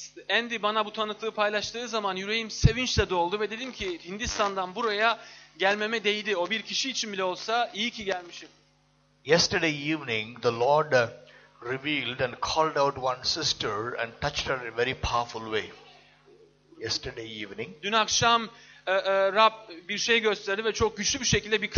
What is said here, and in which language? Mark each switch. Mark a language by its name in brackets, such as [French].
[Turkish] Andy bana bu tanıklığı paylaştığı zaman yüreğim sevinçle doldu ve dedim ki Hindistan'dan buraya gelmeme değdi. O bir kişi için bile olsa iyi ki gelmişim. [English] Yesterday evening the Lord revealed and called out one sister and touched her in a very powerful way. Yesterday evening. [Turkish] Dün akşam Rab bir şey gösterdi ve çok güçlü bir şekilde bir kız